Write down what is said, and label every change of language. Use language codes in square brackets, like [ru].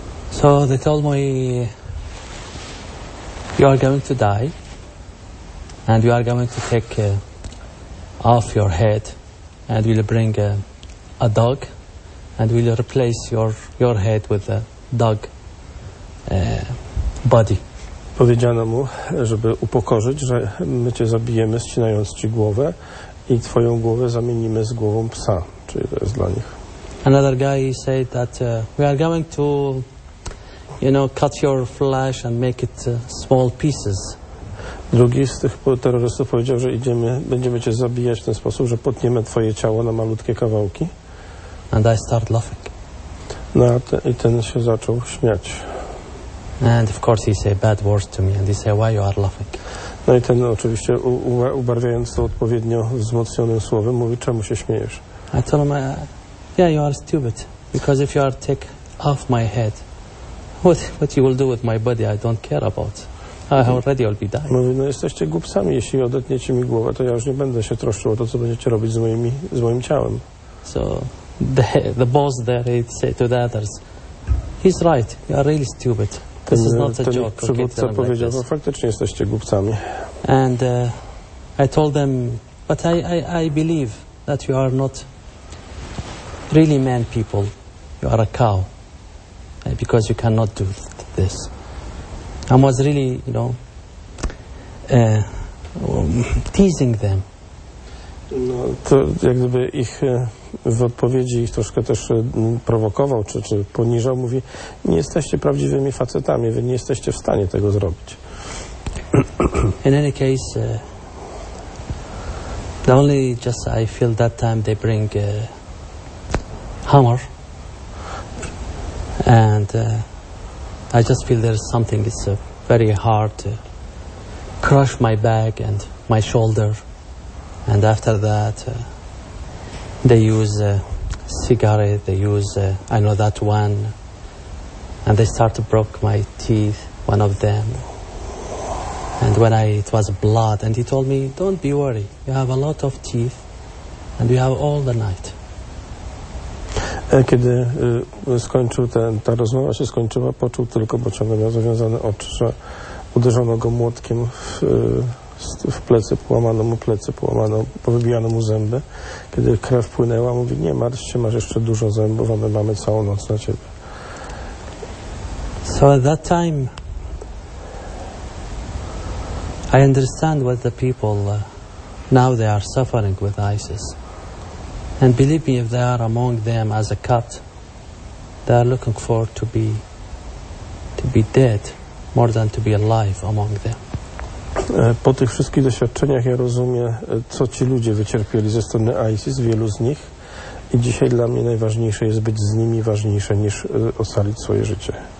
[en] So they told me, you are going to die and you are going to take off your head and we'll bring a dog and we'll replace your head with a dog body. [pl] Powiedziano mu, żeby upokorzyć, że my cię zabijemy, ścinając ci głowę i twoją głowę zamienimy z głową psa, czyli to jest dla nich. [en] Another guy said that we are going to, you know, cut your flesh and make it small pieces. [pl] Drugi z tych terrorystów powiedział, że będziemy cię zabijać w ten sposób, że potniemy twoje ciało na malutkie kawałki. [en] And I start laughing. [pl] I ten się zaczął śmiać. [en] And of course he said bad words to me and he said, why you are laughing? [pl] No i ten oczywiście ubarwiając to odpowiednio wzmocnionym słowem mówi, czemu się śmiejesz? [en] I told him, yeah, you are stupid, because if you are take off my head, what you will do with my body, I don't care about. I already will be dying. [pl] Mówi, no jesteście głupcami, jeśli odetniecie mi głowę, to ja już nie będę się troszczył o to, co będziecie robić z moim ciałem. [en] So the boss there, he said to the others, he's right, you are really stupid. This is not a joke. [pl] Przywódca powiedział, no faktycznie jesteście głupcami. [en] And I told them, but I believe that you are not really man people, you are a cow, because you cannot do this. and was really, you know, teasing them. [pl] No, to jak gdyby ich w odpowiedzi ich troszkę też prowokował, czy poniżał, mówi, nie jesteście prawdziwymi facetami, wy nie jesteście w stanie tego zrobić. [en] In any case, only just I feel that time they bring a hammer, and I just feel there's something, it's very hard to crush my back and my shoulder. And after that, they use a cigarette, they use, I know that one, and they start to broke my teeth, one of them. And when it was blood, and he told me, don't be worried, you have a lot of teeth, and you have all the night. [pl] Kiedy skończył ta rozmowa się skończyła, poczuł tylko, bo ciągle miał zawiązane oczy, że uderzono go młotkiem w plecy, połamano mu plecy, powybijano mu zęby. Kiedy krew płynęła, mówi, nie martw się, masz jeszcze dużo zębów, a my mamy całą noc na ciebie. [en] So at that time I understand what the people now they are suffering with ISIS. And believe me, if they are among them as a cut, they are looking for to be dead more than to be alive among them. [pl] Po tych wszystkich doświadczeniach ja rozumiem, co ci ludzie wycierpieli ze strony ISIS, wielu z nich. I dzisiaj dla mnie najważniejsze jest być z nimi, ważniejsze niż ocalić swoje życie.